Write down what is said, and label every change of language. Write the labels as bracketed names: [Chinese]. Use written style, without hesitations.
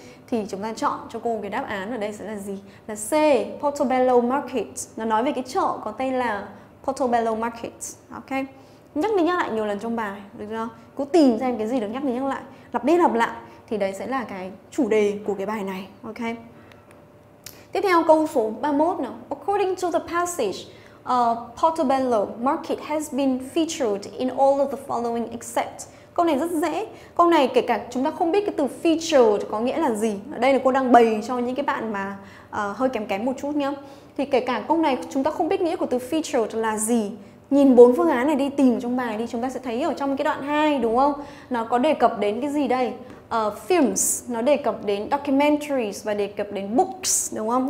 [Vietnamese] Thì chúng ta chọn cho cô cái đáp án ở đây sẽ là gì? Là C, Portobello Market. Nó nói về cái chợ có tên là Portobello Market, ok? Nhắc đi nhắc lại nhiều lần trong bài, được chưa? Cứ tìm xem cái gì được nhắc đi nhắc lại, lặp đi lặp lại, thì đấy sẽ là cái chủ đề của cái bài này, ok? Tiếp theo câu số 31 nào. [English] According to the passage, Portobello Market has been featured in all of the following except. [Vietnamese] Câu này rất dễ. Câu này kể cả chúng ta không biết cái từ featured có nghĩa là gì. Ở đây là cô đang bày cho những cái bạn mà hơi kém kém một chút nhá. Thì kể cả câu này chúng ta không biết nghĩa của từ featured là gì. Nhìn bốn phương án này đi, tìm trong bài đi, chúng ta sẽ thấy ở trong cái đoạn 2, đúng không? Nó có đề cập đến cái gì đây? Films, nó đề cập đến documentaries và đề cập đến books, đúng không?